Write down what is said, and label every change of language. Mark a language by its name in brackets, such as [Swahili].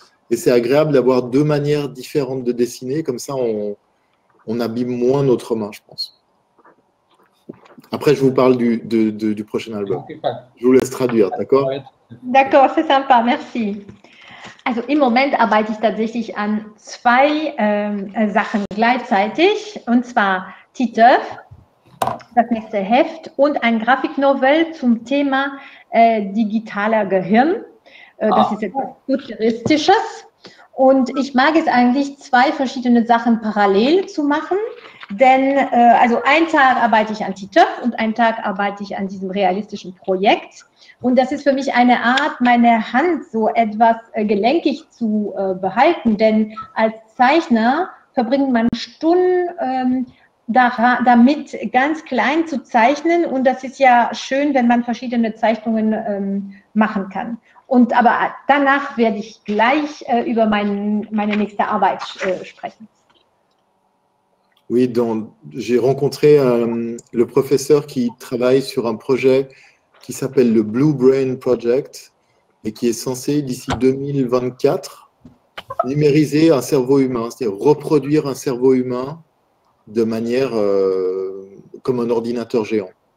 [French] Et c'est agréable d'avoir deux manières différentes de dessiner, comme ça on abîme moins notre main, je pense. Après, je vous parle du prochain album. Je vous laisse traduire, d'accord? D'accord, c'est sympa, merci. [German] Also im Moment arbeite ich tatsächlich an zwei Sachen gleichzeitig, und zwar Titoff, das nächste Heft, und ein Grafiknovel zum Thema digitaler Gehirn. Das ist etwas Futuristisches. Und ich mag es eigentlich, zwei verschiedene Sachen parallel zu machen. Denn, also ein Tag arbeite ich an Titoff und ein Tag arbeite ich an diesem realistischen Projekt. Und das ist für mich eine Art, meine Hand so etwas gelenkig zu behalten. Denn als Zeichner verbringt man Stunden damit, ganz klein zu zeichnen. Und das ist ja schön, wenn man verschiedene Zeichnungen machen kann. Und aber danach werde ich gleich über meine nächste Arbeit sprechen. [French] Oui, donc j'ai rencontré le professeur qui travaille sur un projet qui s'appelle le Blue Brain Project. et qui est censé, d'ici 2024, numériser un cerveau humain, c'est-à-dire reproduire un cerveau humain de manière comme un ordinateur géant.